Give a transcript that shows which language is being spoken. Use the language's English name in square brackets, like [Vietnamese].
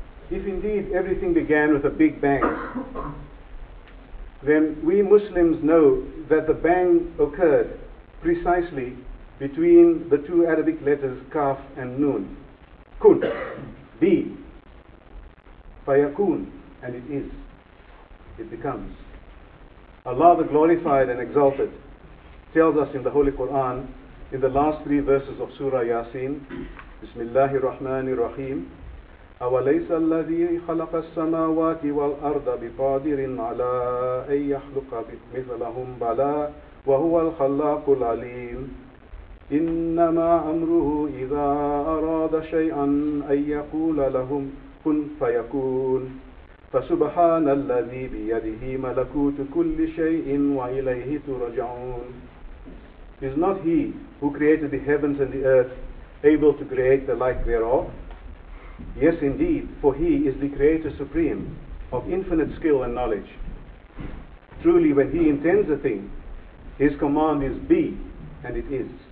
[English] If indeed everything began with a big bang, then we Muslims know that the bang occurred precisely between the two Arabic letters Kaf and Noon. Kun, be, fayakun, and it is, it becomes. Allah the Glorified and Exalted tells us in the Holy Quran, in the last three verses of Surah Yasin, Bismillahir Rahmanir Rahim, [Arabic] أوليس الذي خلق السماوات والأرض بقادر على أن يخلق مثلهم بلى وهو الخلاق العليم إنما أمره إذا أراد شيئا أن يقول لهم كن فيكون فسبحان الذي بيده ملكوت كل شيء وإليه ترجعون. [English] Is not he who created the heavens and the earth able to create the like thereof? Yes, indeed, for he is the Creator Supreme, of infinite skill and knowledge. Truly, when he intends a thing, his command is be, and it is.